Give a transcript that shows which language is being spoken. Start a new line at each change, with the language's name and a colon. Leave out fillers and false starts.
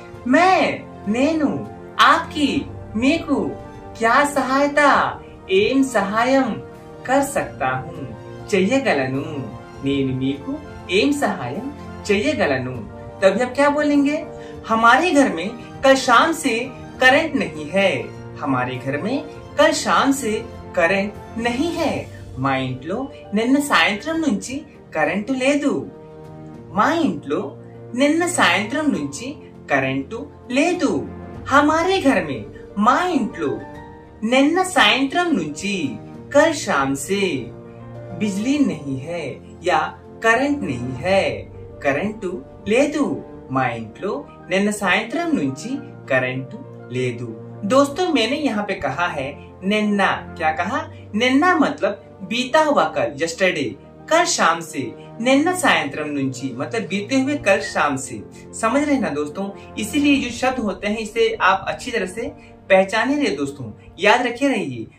Hindi: मैं
Telugu: नेनु
Hindi: आपकी
Telugu: मीकु
Hindi: क्या सहायता
Telugu: एम सहायम
Hindi: कर सकता हूँ,
Telugu: चेयगलनु। नेनु मीकु एमी सहायम चेयगलनु।
Hindi: तभी आप क्या बोलेंगे, हमारे घर में कल शाम से करंट नहीं है, हमारे घर में कल शाम से करंट नहीं है।
Telugu: మా ఇంట్లో నిన్న సాయంత్రం నుంచి కరెంటు లేదు, మా ఇంట్లో నిన్న సాయంత్రం నుంచి కరెంటు లేదు।
Hindi: హమారే ఘర్ మే
Telugu: మా ఇంట్లో నిన్న సాయంత్రం నుంచి
Hindi: కల్ శామ్ సే బిజ్లీ నహీ హై యా కరెంట్ నహీ హై,
Telugu: కరెంటు లేదు। మా ఇంట్లో నిన్న సాయంత్రం నుంచి కరెంటు లేదు।
Hindi: దోస్తో మేనే యహాన్ పే కహా హై నిన్న, క్యా కహా, నిన్న మత్లబ్ बीता हुआ कल, यस्टरडे, कल शाम से,
Telugu: निन्न सायंत्रम नुंची
Hindi: मतलब बीते हुए कल शाम से, समझ रहे ना दोस्तों। इसीलिए जो शब्द होते हैं इसे आप अच्छी तरह से पहचाने रहे दोस्तों, याद रखे रहिए।